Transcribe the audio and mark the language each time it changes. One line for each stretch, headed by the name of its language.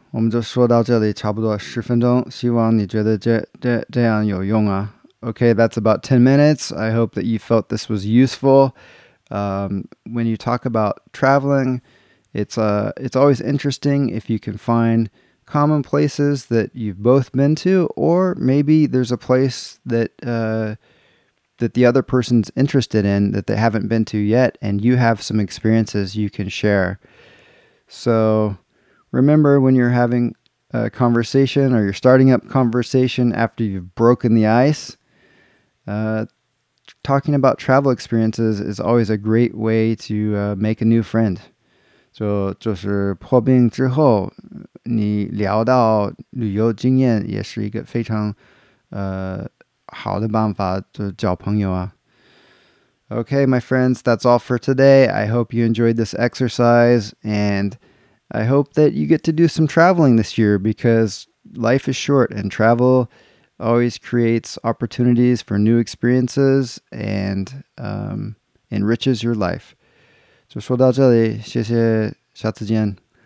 Chinese: 我们就说到这里差不多十分钟，希望你觉得这样有用啊。
English: Okay, that's about 10 minutes. I hope that you felt this was useful. When you talk about traveling, it's always interesting if you can find common places that you've both been to, or maybe there's a place that the other person's interested in that they haven't been to yet, and you have some experiences you can share. So remember, when you're having a conversation or you're starting up conversation after you've broken the ice, talking about travel experiences is always a great way to make a new friend.
Chinese: So, 就是破冰之后，你聊到旅游经验也是一个非常好的办法，就交朋友啊。
English: Okay, my friends, that's all for today. I hope you enjoyed this exercise, and I hope that you get to do some traveling this year, because life is short and travel always creates opportunities for new experiences and enriches your life.
Chinese: 就说到这里，谢谢，下次见。